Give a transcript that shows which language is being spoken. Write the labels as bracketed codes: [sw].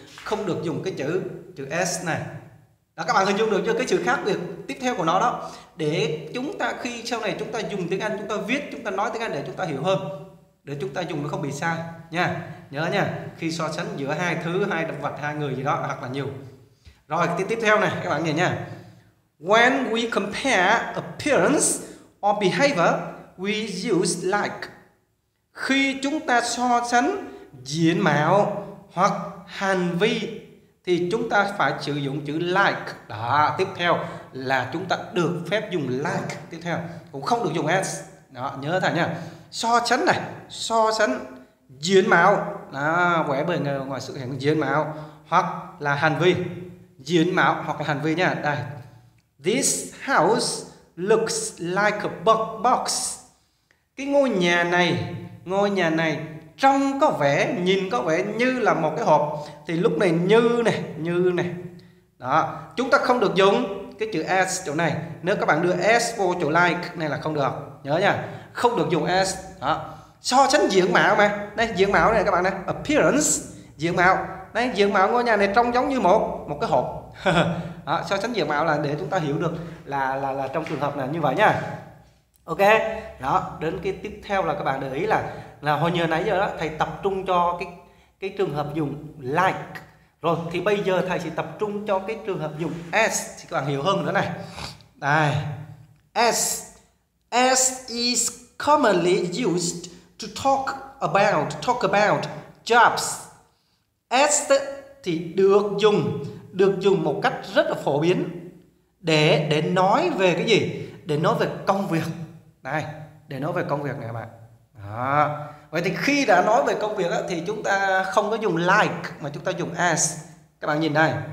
[vi] Không được dùng cái chữ s này. Đó, các bạn hình dung được chưa cái sự khác biệt tiếp theo của nó đó. Để chúng ta khi sau này chúng ta dùng tiếng Anh, chúng ta viết, chúng ta nói tiếng Anh để chúng ta hiểu hơn, để chúng ta dùng nó không bị sai nha. Nhớ nha, khi so sánh giữa hai thứ, hai động vật, hai người gì đó hoặc là nhiều. Rồi, tiếp theo này các bạn nhìn nha. [en] When we compare appearance or behavior, we use like. [vi] Khi chúng ta so sánh diện mạo hoặc hành vi thì chúng ta phải sử dụng chữ like. Đó, tiếp theo là chúng ta được phép dùng like tiếp theo, cũng không được dùng as. Đó, nhớ thầy nha. So sánh này, so sánh diện mạo, đó, vẻ bề ngoài sự hiện diện mạo hoặc là hành vi. diện mạo hoặc là hành vi nha. [en] Đây, this house looks like a bug box. [vi] Cái ngôi nhà này trông có vẻ, nhìn có vẻ như là một cái hộp. Thì lúc này như này đó, chúng ta không được dùng cái chữ as chỗ này. Nếu các bạn đưa as vô chỗ like này là không được, nhớ nha, không được dùng as đó. So sánh diện mạo mà, đây diện mạo này các bạn này, appearance, diện mạo. Đấy, diện mạo ngôi nhà này trông giống như một cái hộp. Đó, so sánh diện mạo là để chúng ta hiểu được là trong trường hợp này như vậy nha. Ok, đó, đến cái tiếp theo là các bạn để ý là hồi nhờ nãy giờ đó, thầy tập trung cho cái trường hợp dùng like. Rồi, thì bây giờ thầy sẽ tập trung cho cái trường hợp dùng as, thì các bạn hiểu hơn nữa này. [en] Đây, as is commonly used to talk about jobs. [vi] As thì được dùng một cách rất là phổ biến để nói về cái gì? Để nói về công việc. Này, để nói về công việc này các bạn. Đó. Vậy thì khi đã nói về công việc thì chúng ta không có dùng like mà chúng ta dùng as. Các bạn nhìn đây.